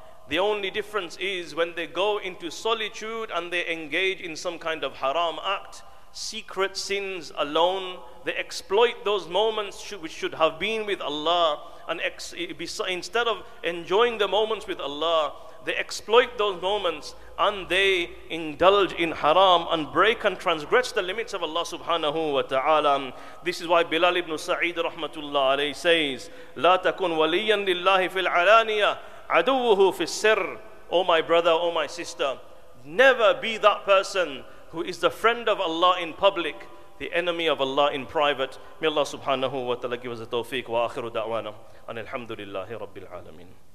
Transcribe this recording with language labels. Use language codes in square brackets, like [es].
[en] The only difference is when they go into solitude and they engage in some kind of haram act, secret sins alone, they exploit those moments which should have been with Allah, and instead of enjoying the moments with Allah, they exploit those moments and they indulge in haram and break and transgress the limits of Allah subhanahu wa ta'ala. This is why Bilal ibn Sa'id rahmatullah alayhi says, [ar] لا تكن وليا لله في العلانية عدوه في السر. [en] O my brother, O my sister, never be that person who is the friend of Allah in public, the enemy of Allah in private. May Allah subhanahu wa ta'ala give us the tawfiq. [ar] Wa akhiru da'wana an alhamdulillahi rabbil alamin.